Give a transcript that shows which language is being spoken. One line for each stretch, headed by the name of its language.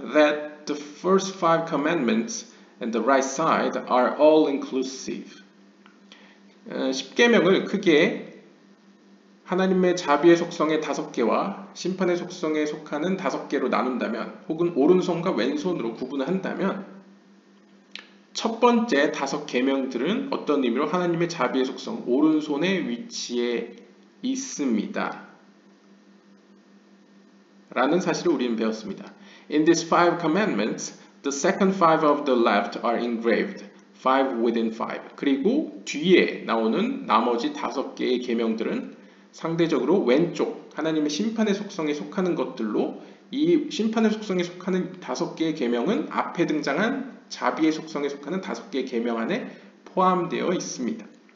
English: That the first five commandments and the right side are all inclusive.
Korean: 십계명을 크게 하나님의 자비의 속성의 다섯 개와 심판의 속성에 속하는 다섯 개로 나눈다면 혹은 오른손과 왼손으로 구분한다면 첫 번째 다섯 계명들은 어떤 의미로 하나님의 자비의 속성, 오른손의 위치에 있습니다. 라는 사실을 우리는 배웠습니다.
English: In these five commandments, the second five of the left are engraved. Five within five.
Korean: 그리고 뒤에 나오는 나머지 다섯 개의 계명들은 상대적으로 왼쪽 하나님의 심판의 속성에 속하는 것들로 이 심판의 속성에 속하는 다섯 개의 계명은 앞에 등장한 자비의 속성에 속하는 다섯 개의 계명 안에 포함되어 있습니다.